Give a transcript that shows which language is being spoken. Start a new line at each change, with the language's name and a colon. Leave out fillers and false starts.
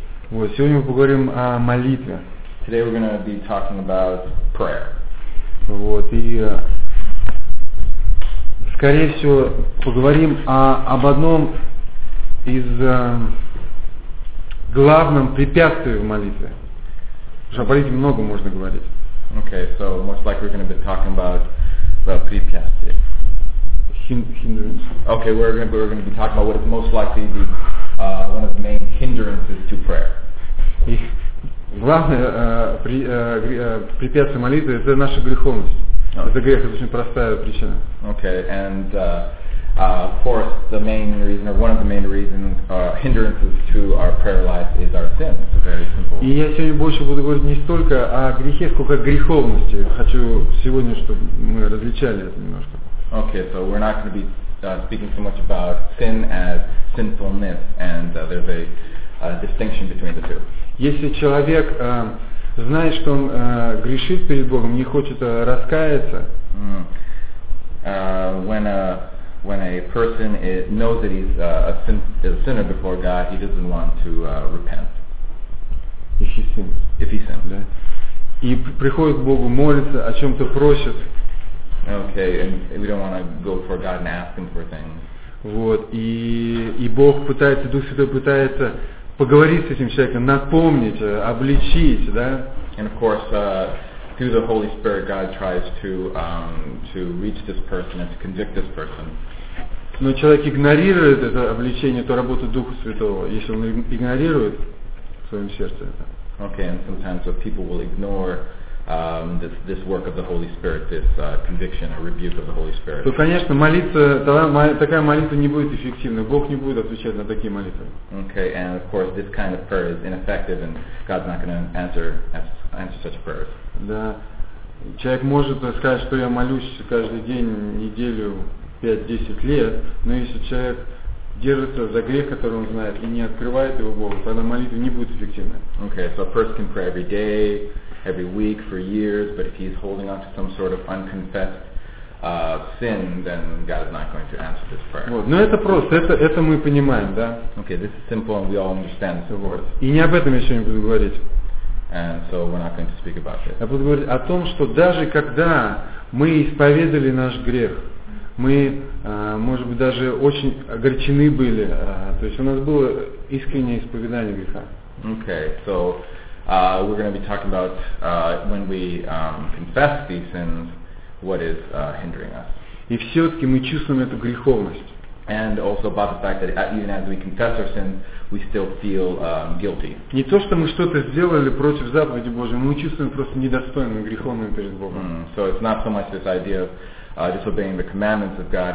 Russian: Вот, сегодня мы поговорим о молитве.
English: Today we're going to be talking about prayer.
Russian: Вот, и скорее всего поговорим об одном из главным препятствий в молитве. Потому что о молитве много можно говорить.
English: Okay, so most likely we're going to be talking about the
Russian: препятствие.
English: Hindrance. Okay, we're going to be talking about what is most likely the one of the main hindrances to prayer.
Russian: Их главное препятствие молитвы — это наша греховность.
English: Okay.
Russian: Это грех, это очень простая причина.
English: Okay, and of course the main reason or one of the main reasons hindrances to our prayer life is our sin. It's very simple.
Russian: И я сегодня больше буду говорить не столько о грехе, сколько о греховности. Хочу сегодня, чтобы мы различали это немножко.
English: Okay, so we're not going to be speaking so much about sin as sinfulness, and there's a distinction between the two.
Russian: Если человек знает, что он грешит перед Богом, не хочет раскаяться,
English: when a person knows that he's a sinner before God, he doesn't want to repent. If he sins.
Russian: Да. И приходит к Богу, молится, о чем-то просит.
English: Okay, and we don't want to go before God and ask Him for things.
Russian: Вот, и Бог пытается, Дух Святой пытается поговорить с этим человеком, напомнить, обличить, да?
English: And of course, through the Holy Spirit, God tries to reach this person and to convict this person.
Russian: Но человек игнорирует это обличение, то работа Духа Святого, если он игнорирует в своем сердце это.
English: Okay, and sometimes so people will ignore this work of the Holy Spirit, this conviction or rebuke of the Holy Spirit.
Russian: То, конечно, молиться, такая молитва не будет эффективной. Бог не будет отвечать на такие молитвы.
English: Okay, and of course, this kind of prayer is ineffective, and God's not going to answer such prayers.
Russian: Да. Человек может сказать, что я молюсь каждый день, неделю, 5-10 лет, но если человек держится за грех, который он знает, и не открывает его Богу, тогда молитва не будет эффективной.
English: Okay, so a person can pray every day, every week, for years, but if he's holding on to some sort of unconfessed sin, then God is not going to answer this prayer.
Russian: Вот. Но это просто, это мы понимаем, да?
English: Okay, this is simple and we all understand this.
Russian: Вот. И не об этом я сегодня буду говорить.
English: And so we're not going to speak about it.
Russian: Я буду говорить о том, что даже когда мы исповедали наш грех, мы, может быть, даже очень огорчены были, то есть у нас было искреннее исповедание греха.
English: Okay, so we're going to be talking about when we confess these sins, what is hindering us.
Russian: И все-таки мы чувствуем эту греховность.
English: And also about the fact that even as we confess our sins, we still feel guilty.
Russian: Не то, что мы что-то сделали против заповеди Божьей, мы чувствуем просто недостойным, греховным перед Богом.
English: So it's not so much this idea of disobeying the commandments of God.